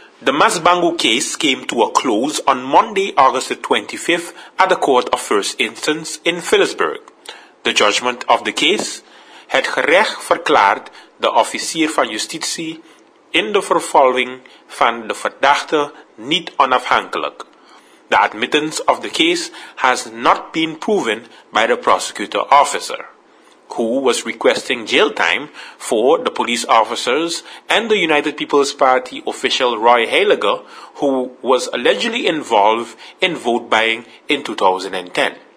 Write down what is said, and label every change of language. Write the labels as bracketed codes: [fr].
[en] The Masbangu case came to a close on Monday, August the 25th at the Court of First Instance in Philipsburg. The judgment of the case, [nl] het gerecht verklaard de officier van justitie in de vervolging van de verdachte niet onafhankelijk. [en] The admittance of the case has not been proven by the prosecutor officer, who was requesting jail time for the police officers and the United People's Party official Roy Heiliger, who was allegedly involved in vote buying in 2010.